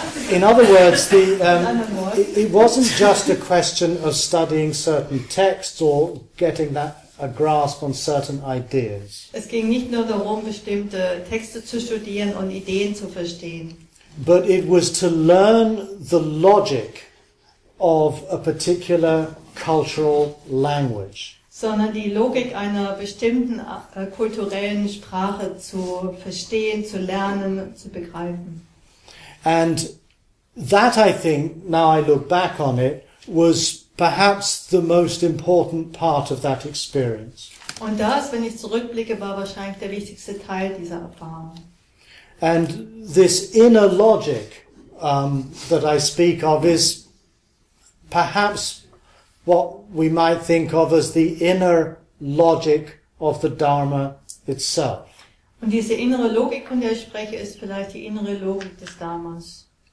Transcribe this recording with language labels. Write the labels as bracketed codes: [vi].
[en] In other words, it wasn't just a question of studying certain texts or getting a grasp on certain ideas. [de] Es ging nicht nur darum, bestimmte Texte zu studieren und Ideen zu verstehen. [en] But it was to learn the logic of a particular cultural language. [de] Sondern die Logik einer bestimmten kulturellen Sprache zu verstehen, zu lernen, zu begreifen. [en] And that, I think, now I look back on it, was perhaps the most important part of that experience. [de] Und das, wenn ich zurückblicke, war wahrscheinlich der wichtigste Teil dieser Erfahrung. [en] And this inner logic that I speak of is perhaps what we might think of as the inner logic of the Dharma itself. [de] Und diese innere Logik, von der ich spreche, ist vielleicht die innere Logik des Dharmas.